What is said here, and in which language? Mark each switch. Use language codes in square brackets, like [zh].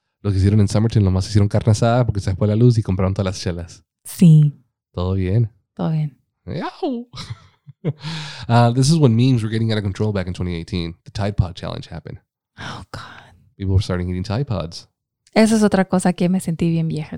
[es] Lo que hicieron en Somerton, lo más hicieron carne asada porque se fue la luz y compraron todas las chelas. Sí. ¿Todo bien? Todo bien. [en] This is when memes were getting out of control back in 2018. The Tide Pod Challenge happened. Oh, God. People were starting eating Tide Pods. [es] Esa es otra cosa que me sentí bien vieja.